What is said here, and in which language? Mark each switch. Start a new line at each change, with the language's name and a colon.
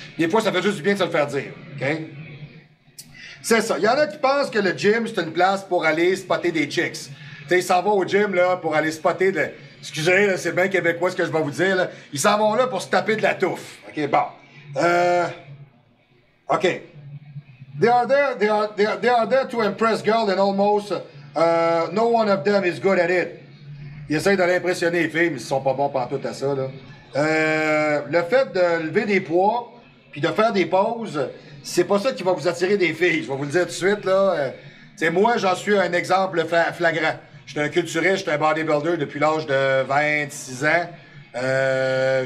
French: Des fois, ça fait juste du bien de se le faire dire, OK? C'est ça. Il y en a qui pensent que le gym, c'est une place pour aller spotter des chicks. Tu sais, ils s'en vont au gym, là, pour aller spotter de... Excusez, là, c'est bien québécois ce que je vais vous dire, là. Ils s'en vont là pour se taper de la touffe. OK, bon. OK.
English: They are there to impress girls and almost no one of them is good at it.
French: Ils essayent d'aller impressionner les filles, mais ils sont pas bons partout à ça, là. Le fait de lever des poids puis de faire des pauses, c'est pas ça qui va vous attirer des filles. Je vais vous le dire tout de suite, là. T'sais, moi, j'en suis un exemple flagrant. J'étais un culturiste, j'étais un bodybuilder depuis l'âge de 26 ans.